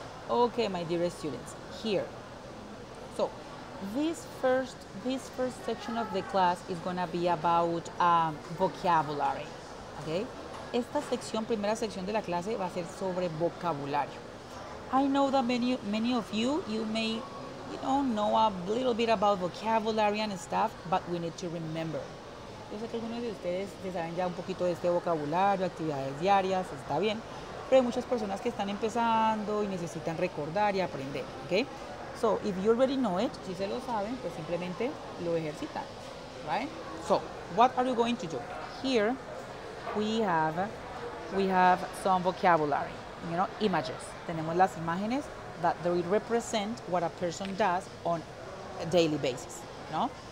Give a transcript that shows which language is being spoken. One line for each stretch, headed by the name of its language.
English: Okay, my dear students, here. So, This first section of the class is going to be about vocabulary, okay?
Spanish: Esta sección, primera sección de la clase, va a ser sobre vocabulario.
English: I know that many of you may, you know a little bit about vocabulary and stuff, but we need to remember.
Spanish: Yo sé que algunos de ustedes ya saben ya un poquito de este vocabulario, actividades diarias, está bien, pero hay muchas personas que están empezando y necesitan recordar y aprender, okay?
English: So, if you already know it,
Spanish: si se lo saben, pues simplemente lo ejercitan, right?
English: So, what are you going to do? Here, we have some vocabulary, you know, images.
Spanish: Tenemos las imágenes
English: that they represent what a person does on a daily basis, no?